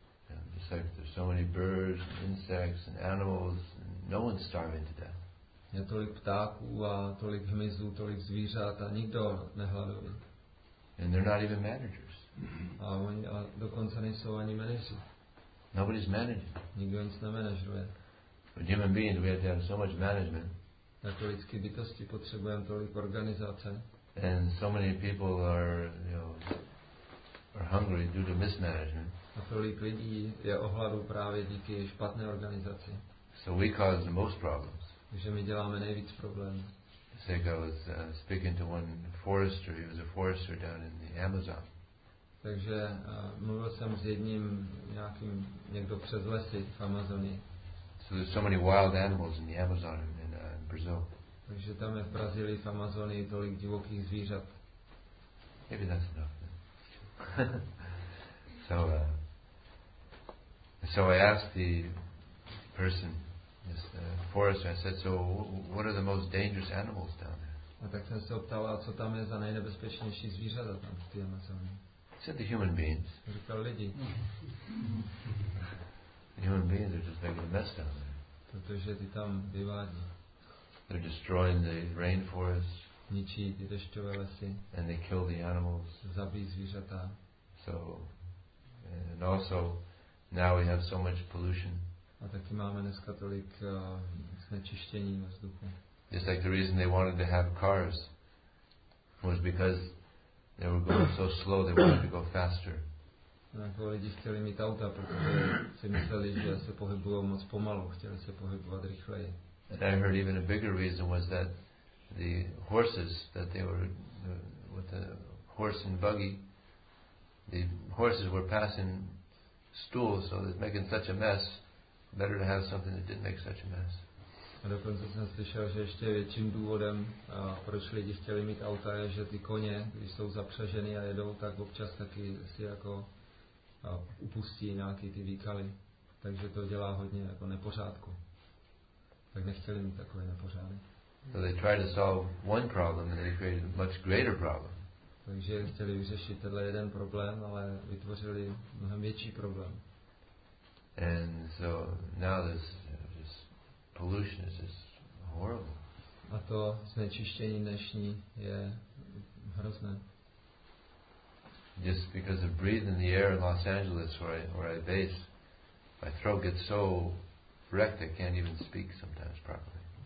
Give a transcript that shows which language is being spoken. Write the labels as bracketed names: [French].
[English] And it's like there's so many birds, insects, and animals. No one's starving to death. [Czech] Je tolik ptáků a tolik hmyzu, tolik zvířat a nikdo nehladoví. [English] And they're not even managers. [Czech] A oni a dokonce nejsou ani manažeři. [English] Nobody's managing. [Czech] Nikdo nic nemanažuje. [English] But human beings, we have to have so much management. [Czech] Jako lidské bytosti potřebujeme tolik organizace. [English] And so many people are hungry due to mismanagement. [Czech] A tolik lidí je ohladu právě díky špatné organizaci. [English] So we cause the most problems. [Czech] Že my děláme nejvíc problémů. [English] Like I was speaking to one forester. He was a forester down in the Amazon. [Czech] Takže mluvil jsem s jedním nějakým někdo přes lesy v Amazonii. [English] So there's so many wild animals in the Amazon in Brazil. [Czech] Takže tam je v Brazílii v Amazonii tolik divokých zvířat. [English] Maybe that's enough. So I asked the person. Yes, forest. I said, so what are the most dangerous animals down there? [Czech] A tak jsem se optal, a co tam je za nejnebezpečnější zvířata tam v té Amazonii? [English] Said the human beings. [Czech] Říkal lidi. [English] The human beings are just making a mess down there. [Czech] Protože ty tam vyvádí. [English] They're destroying the rainforest. [Czech] Ničí ty dešťové lesy. [English] And they kill the animals. [Czech] Zabíjí zvířata. [English] So, and also, now we have so much pollution. [Czech] A taky máme dneska tolik znečištění vzduchu. [English] It's like the reason they wanted to have cars was because they were going so slow they wanted to go faster. [Czech] Jako lidi chtěli mít auta, protože si mysleli, že se pohybují moc pomalu, chtěli se pohybovat rychleji. [English] And I heard even a bigger reason was that the horses that they were with the horse and buggy, the horses were passing stools, so they're making such a mess. Better to have something that didn't make such a mess. [Czech] A dokonce jsem slyšel, že ještě větším důvodem, proč lidi chtěli mít auta, je, že ty koně, když jsou zapřažený a jedou, tak občas taky si jako upustí nějaký ty výkaly. Takže to dělá hodně jako nepořádku. Tak nechtěli mít takové nepořádky. [English] So they tried to solve one problem and they created a much greater problem. [Czech] Takže chtěli vyřešit tenhle jeden problém, ale vytvořili mnohem větší problém. [English] And so now this just pollution is just horrible. [Czech] A to znečištění dnešní je hrozné. [English] Just because of breathing the air in Los Angeles where I base, my throat gets so wrecked I can't even speak sometimes properly.